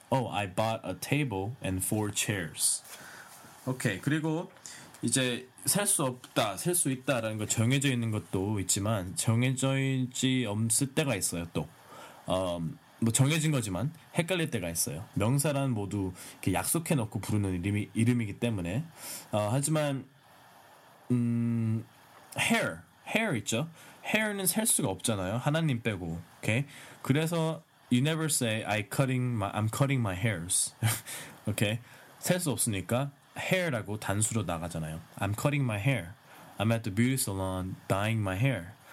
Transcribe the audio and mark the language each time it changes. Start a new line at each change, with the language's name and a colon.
English: Oh, I bought a table and four chairs.
Korean: Okay, 그리고 이제 셀 수 없다, 셀 수 있다라는 거 정해져 있는 것도 있지만 정해져 있지 없을 때가 있어요. 또 뭐 정해진 거지만 헷갈릴 때가 있어요. 명사란 모두 이렇게 약속해 놓고 부르는 이름이기 때문에 하지만 hair 있죠. Hair는 셀 수가 없잖아요. 하나님 빼고. Okay.
English: 그래서 you never say I'm cutting my hairs. Okay.
Korean: 셀 수 없으니까 hair라고 단수로 나가잖아요.
English: I'm cutting my hair. I'm at the beauty salon dyeing my hair.